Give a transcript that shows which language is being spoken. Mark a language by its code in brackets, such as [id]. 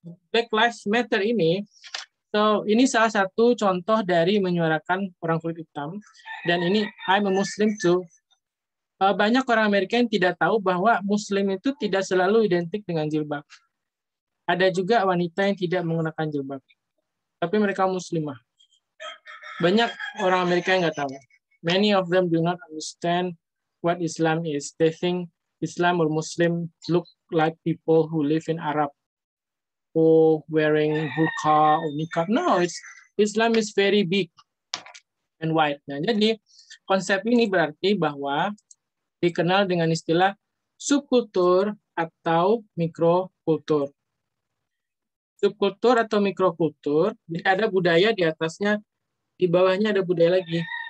[id] Black Lives Matter ini, so ini salah satu contoh dari menyuarakan orang kulit hitam. Dan ini [en] I'm a Muslim too. [id] Banyak orang Amerika yang tidak tahu bahwa Muslim itu tidak selalu identik dengan jilbab. Ada juga wanita yang tidak menggunakan jilbab. Tapi mereka muslimah. Banyak orang Amerika yang nggak tahu. [en] Many of them do not understand what Islam is. They think Islam or Muslim look like people who live in Arab or wearing burqa or niqab. No, Islam is very big and wide. [id] Nah, jadi konsep ini berarti bahwa dikenal dengan istilah subkultur atau mikrokultur. Subkultur atau mikrokultur, jadi ada budaya di atasnya, di bawahnya ada budaya lagi.